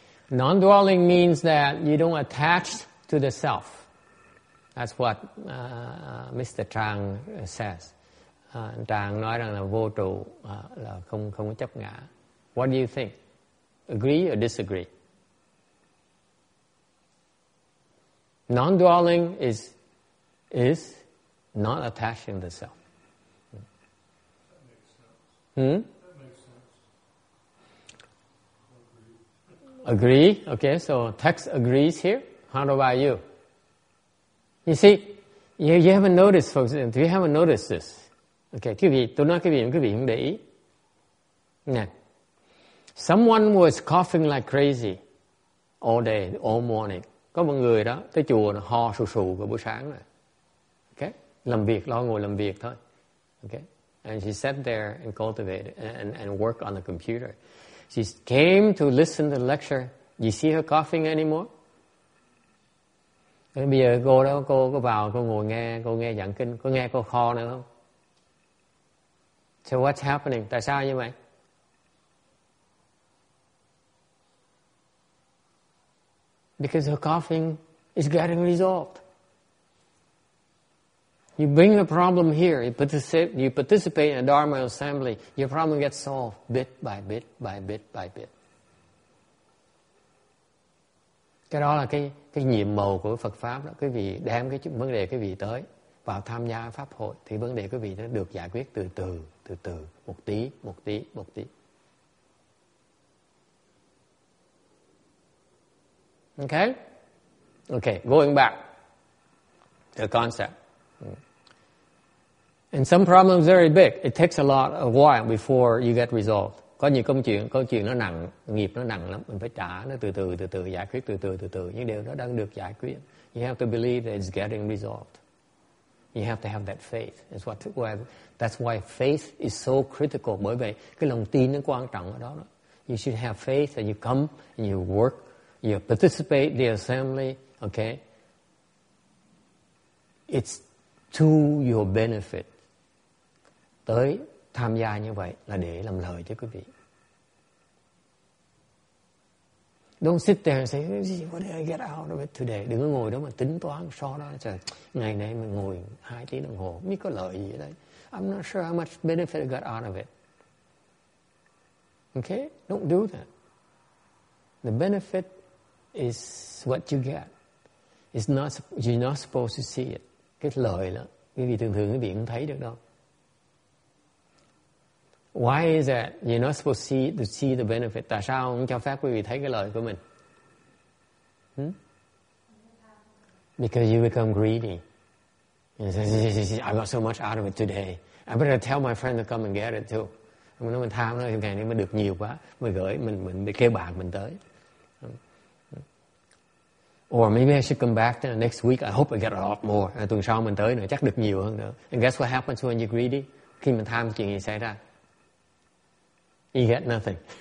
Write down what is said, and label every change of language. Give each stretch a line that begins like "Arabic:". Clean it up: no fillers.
English: Non-dwelling means that you don't attach to the self. That's what Mr. Trang says.
Vietnamese: Trang nói rằng là vô trụ, là không có chấp ngã.
English: What do you think? Agree or disagree? Non-dwelling is not attaching to the self. Agree? Okay, so text agrees here. How about you? You see, you haven't noticed, folks. You haven't noticed this.
Vietnamese: Okay, quý vị, tôi nói quý vị không để ý. Nè.
English: Someone was coughing like crazy all day, all morning.
Vietnamese: Có một người đó, tới chùa nó ho sù sù cả buổi sáng rồi. Okay, làm việc, lo ngồi làm việc thôi.
English: Okay, and she sat there and cultivated and worked on the computer. She came to listen to the lecture. You see her coughing anymore?
Vietnamese: Bây giờ cô đó, cô vào, cô ngồi nghe, cô nghe giảng kinh, cô nghe cô khò nữa không?
English: So what's happening?
Vietnamese: Tại sao như vậy?
English: Because her coughing is getting resolved. You bring the problem here, you participate in a Dharma assembly, your problem gets solved bit by bit by bit by bit.
Vietnamese: Cái đó là cái nhiệm màu của Phật Pháp đó. Quý vị đem cái vấn đề quý vị tới vào tham gia Pháp hội thì vấn đề quý vị nó được giải quyết từ từ, một tí, một tí, một tí.
English: Okay? Okay, going back to the concept. And some problems very big. It takes a lot of while before you get resolved.
Vietnamese: Có nhiều công chuyện nó nặng, nghiệp nó nặng lắm. Mình phải trả nó từ từ, giải quyết từ từ, từ từ. Những điều đó đang được giải quyết.
English: You have to believe that it's getting resolved. You have to have that faith. That's why faith is so critical.
Vietnamese: Bởi vậy, cái lòng tin nó quan trọng ở đó.
English: You should have faith that you come and you work, you participate in the assembly, okay? It's to your benefit.
Vietnamese: Tới tham gia như vậy là để làm lợi cho quý vị.
English: Don't sit there and say, what did I get out of it today?
Vietnamese: Đừng có ngồi đó mà tính toán, so đó. Trời, ngày nay mình ngồi 2 tiếng đồng hồ, không biết có lợi gì ở đây.
English: I'm not sure how much benefit I got out of it. Okay? Don't do that. The benefit is what you get. It's not, you're not supposed to see it.
Vietnamese: Cái lợi đó, quý vị thường thường quý vị không thấy được đâu.
English: Why is that? You're not supposed to see the benefit.
Vietnamese: Tại sao không cho phép quý vị thấy cái lợi của mình?
English: Because you become greedy. You say, I got so much out of it today. I better tell my friend to come and get it too.
Vietnamese: Nếu mình tham nó, ngày nay mới được nhiều quá. Mình gửi, mình kêu bạn mình tới.
English: Or maybe I should come back then. Next week. I hope I get a lot more.
Vietnamese: Tuần sau mình tới nữa, chắc được nhiều hơn nữa.
English: And guess what happens when you're greedy?
Vietnamese: Khi mình tham, chuyện gì xảy ra?
English: You get nothing.